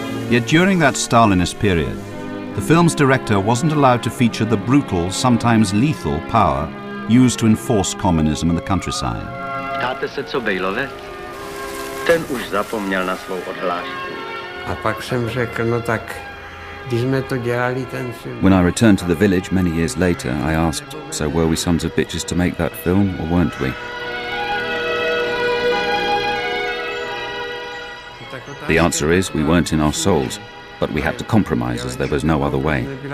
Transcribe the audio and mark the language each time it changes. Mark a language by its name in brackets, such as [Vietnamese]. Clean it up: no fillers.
[English] Yet during that Stalinist period, the film's director wasn't allowed to feature the brutal, sometimes lethal, power used to enforce communism in the countryside. [Czech] Ptáte se, co Bejlovec? Ten už zapomněl na svou odhlášku. A pak jsem řekl, no tak, když jsme to dělali ten film... [English] When I returned to the village many years later, I asked, so were we sons of bitches to make that film, or weren't we? The answer is, we weren't in our souls, but we had to compromise as there was no other way.